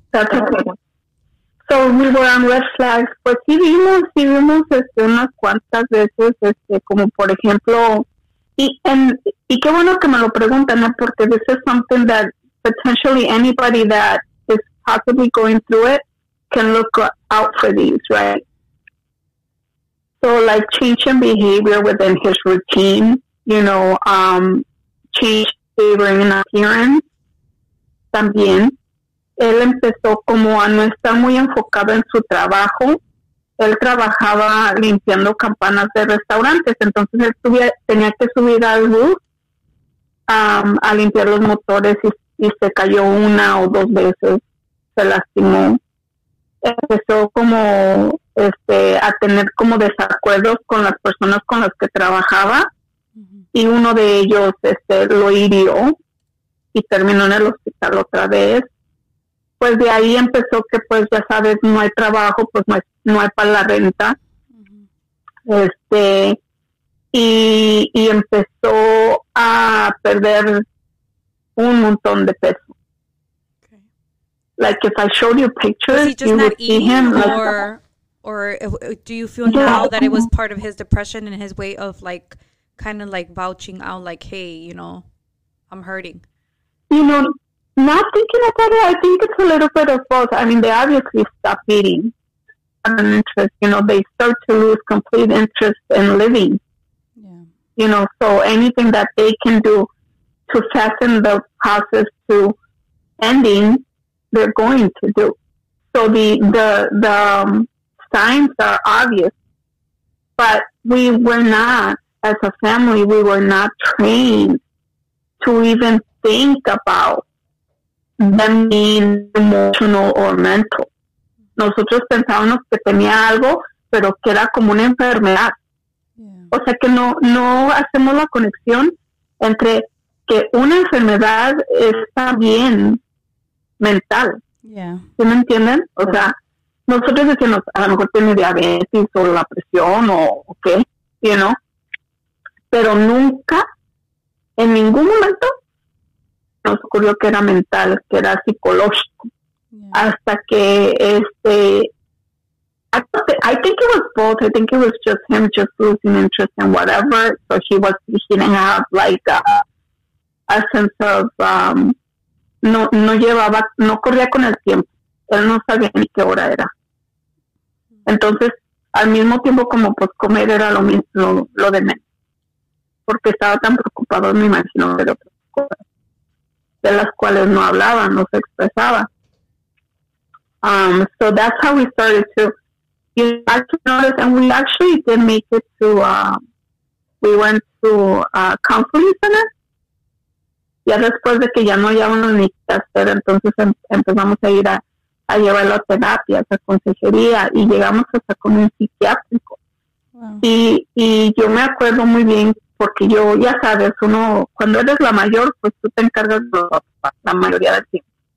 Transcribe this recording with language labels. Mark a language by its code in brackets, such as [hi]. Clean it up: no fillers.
[en] That's okay. So we were on red flags. [es] Pues sí vimos unas cuantas veces, como por ejemplo, y qué bueno que me lo preguntan, porque [en] this is something that potentially anybody that is possibly going through it can look out for these, right? So like change in behavior within his routine, you know, change behavior in appearance. [es] También, él empezó como a no estar muy enfocado en su trabajo. Él trabajaba limpiando campanas de restaurantes, entonces él tenía que subir al bus a limpiar los motores y se cayó una o dos veces, se lastimó. Empezó como a tener como desacuerdos con las personas con las que trabajaba, uh-huh, y uno de ellos lo hirió. Y terminó en el hospital otra vez. Pues de ahí empezó que, pues ya sabes, no hay trabajo, pues no hay para la renta. Uh-huh. Y empezó a perder un montón de peso. [en] Okay. Like, if I showed you pictures, you would see him. Or do you feel, yeah, now that it was part of his depression and his way of, like, kind of, like, vouching out, like, hey, you know, I'm hurting? You know, Not thinking about it, I think it's a little bit of both. I mean, they obviously stop eating on an interest. You know, they start to lose complete interest in living. Yeah. You know, so anything that they can do to fasten the process to ending, they're going to do. So the signs are obvious. But we were not, as a family, we were not trained to even think about them being emotional or mental. [es] Nosotros pensábamos que tenía algo, pero que era como una enfermedad. Yeah. O sea que no hacemos la conexión entre que una enfermedad está bien mental. [en] Yeah. [es] ¿Sí me entienden? O sea, nosotros decimos, a lo mejor tiene diabetes o la presión o qué, [en] you know? [es] Pero nunca, en ningún momento, nos ocurrió que era mental, que era psicológico. [en] Yeah. [es] Hasta que, [en] I think it was both. I think it was just him just losing interest in whatever. So he was beginning to have like a sense of, [es] no corría con el tiempo. Él no sabía ni qué hora era. Entonces, al mismo tiempo, como pues comer era lo mismo, lo de menos. Porque estaba tan preocupado, me imagino, de otras cosas, de las cuales no hablaba, no se expresaba. [en] So that's how we started to, you actually notice, and we actually did make it to, we went to a counseling center. [es] Ya después de que ya no llevamos ni qué hacer, entonces empezamos a ir a llevarlo a terapias, a consejería, y llegamos hasta con un psiquiátrico. Wow. Y yo me acuerdo muy bien, porque yo, ya sabes, uno, cuando eres la mayor, pues tú te encargas de la mayoría del tiempo.